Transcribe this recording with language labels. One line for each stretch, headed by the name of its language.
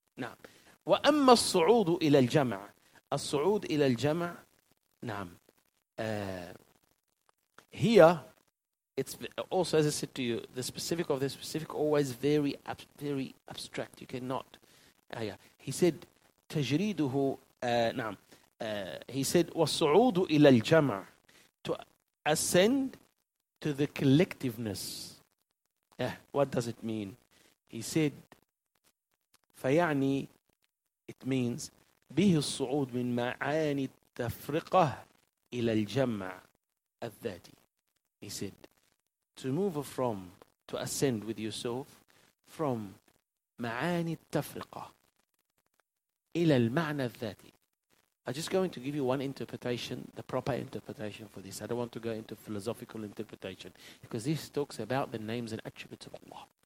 Arabic: نعم. وأما الصعود إلى الجمع. الصعود إلى الجمع. نعم.
English: Here, it's also, as I said to you, the specific of the specific always very, very abstract. You cannot. Yeah. He said,
Arabic: تجريده, نعم.
English: He said,
Arabic: والصعود إلى الجمع.
English: To ascend to the collectiveness. Yeah. What does it mean? He said,
Arabic: فيعني,
English: it means,
Arabic: به الصعود من معاني التفرقة إلى الجمع الذاتي.
English: He said, to move from, to ascend with yourself from
Arabic: معاني التفرقة إلى المعنى الذاتي.
English: I'm just going to give you one interpretation, the proper interpretation for this. I don't want to go into philosophical interpretation because this talks about the names and attributes of Allah.